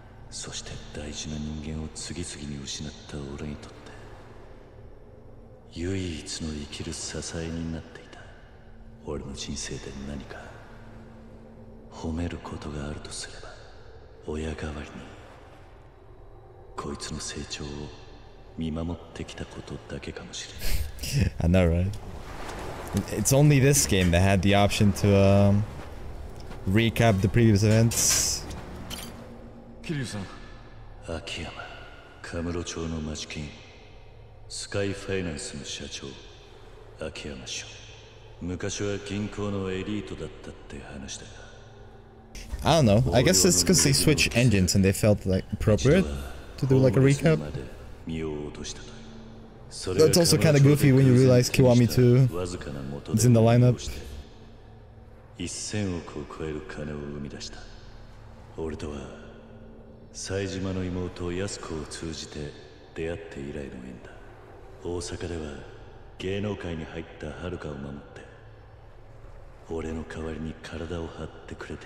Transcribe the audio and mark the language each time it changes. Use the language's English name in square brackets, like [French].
[Japanese] そして大事な人間を次々に失った俺にとって唯一の生きる支えになっていた。俺の人生で何か褒めることがあるとすれば、親代わりにこいつの成長を見守ってきたことだけかもしれない。 [English] I know, right? It's only this game that had the option to, recap the previous events. [Japanese] Kiryu-san. Akiyama, Kamuro-chou no Machikin, Sky Finance の社長、Akiyama Shou. 昔は銀行のエリートだったって話だが、 [English] I don't know. I guess it's because they switch engines and they felt like appropriate to do like a recap. That's also kind of goofy when you realize Kiwami 2 is in the lineup. [Japanese] 1000億を超える金を生み出した。俺とは西島の妹ヤスコを通じて出会って以来の縁だ。大阪では芸能界に入った遥かを守って、俺の代わりに体を張ってくれて。